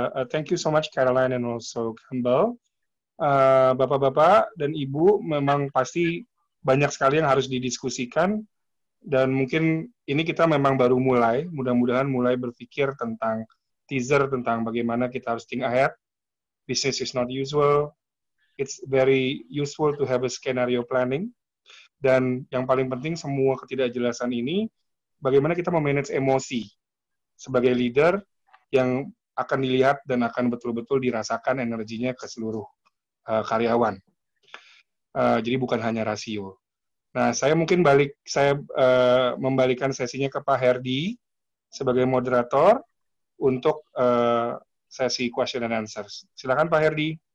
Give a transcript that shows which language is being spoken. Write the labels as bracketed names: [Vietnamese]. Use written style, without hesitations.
[English] Thank you so much, Caroline, and also Campbell. [Indonesian] Bapak-bapak dan Ibu, memang pasti banyak sekali yang harus didiskusikan. Dan mungkin ini kita memang baru mulai, mudah-mudahan mulai berpikir tentang teaser, tentang bagaimana kita harus [English] think ahead. Business is not usual. It's very useful to have a scenario planning. [Indonesian] Dan yang paling penting, semua ketidakjelasan ini, bagaimana kita memanage emosi sebagai leader yang akan dilihat dan akan betul-betul dirasakan energinya ke seluruh karyawan. Jadi bukan hanya rasio. Nah, saya mungkin balik, saya membalikan sesinya ke Pak Herdi sebagai moderator untuk sesi [English] question and answers. [Indonesian] Silakan Pak Herdi.